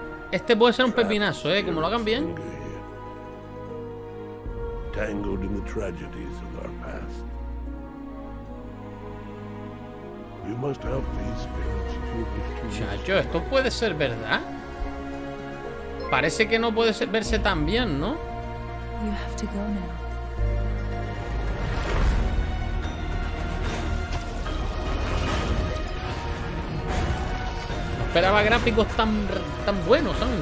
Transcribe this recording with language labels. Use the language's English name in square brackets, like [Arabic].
[Spanish] Este puede ser un pepinazo, como lo hagan bien. [English] Tangled in the tragedies of our past. You must help these spirits to return. [Spanish] Chacho, esto puede ser verdad. Parece que no puede ser, verse tan bien, ¿no? [English] You have to go now. [Spanish] Esperaba gráficos tan buenos, ¿saben?